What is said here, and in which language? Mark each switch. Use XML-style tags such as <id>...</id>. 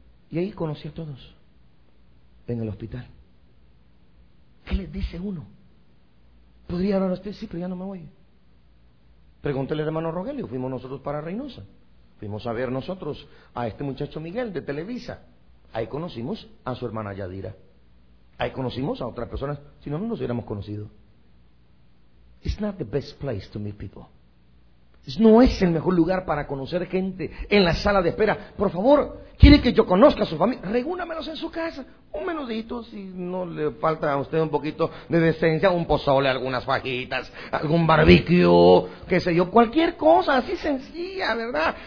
<es>Y ahí conocí a todos, en el hospital. ¿Qué les dice uno? ¿Podría hablar a usted? Sí, pero ya no me voy. Pregúntele al hermano Rogelio, fuimos nosotros para Reynosa. Fuimos a ver nosotros a este muchacho Miguel de Televisa. Ahí conocimos a su hermana Yadira. Ahí conocimos a otras personas, si no, no nos hubiéramos conocido.</es> <en>It's not the best place to meet people.</en> <es>No es el mejor lugar para conocer gente en la sala de espera. Por favor, ¿quiere que yo conozca a su familia? Regúnamelos en su casa. Un menudito, si no le falta a usted un poquito de decencia, un pozole, algunas fajitas, algún barbecue, qué sé yo, cualquier cosa así sencilla, ¿verdad?</es>